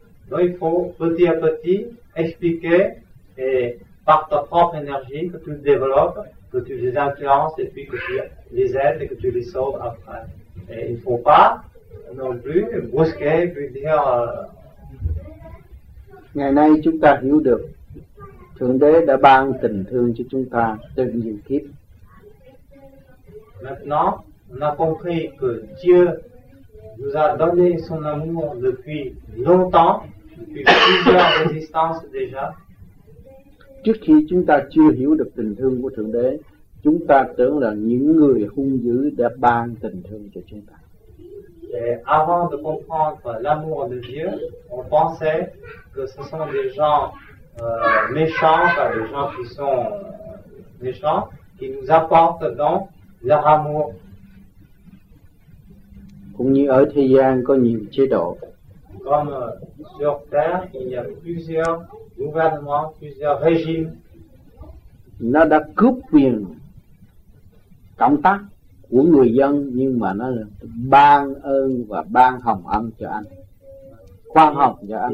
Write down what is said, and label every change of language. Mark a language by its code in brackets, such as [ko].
[fr] Donc, il faut petit à petit expliquer et par ta propre énergie que tu le développes, que tu les influences et puis que tu les aides et que tu les sauves après. Et il ne faut pas non plus brusquer, puis dire. [vi] Ngày nay chúng ta hiểu được Thượng Đế đã ban tình thương cho chúng ta từ nhiều kiếp. [fr] Maintenant, on a compris que Dieu nous a donné son amour depuis longtemps, depuis plusieurs existences déjà. [vi] Trước khi chúng ta chưa hiểu được tình thương của Thượng Đế, chúng ta tưởng là những người hung dữ đã ban tình thương cho chúng ta. [fr] Et avant de comprendre l'amour de Dieu, on pensait que ce sont des gens méchants, enfin, des gens qui sont méchants, qui nous apportent donc leur amour. Comme sur Terre, il y a plusieurs gouvernements, plusieurs régimes. [vi] Nó đã cướp quyền công tác của người dân, nhưng mà nó ban ơn và ban hồng ân cho anh, khoan hồng cho anh.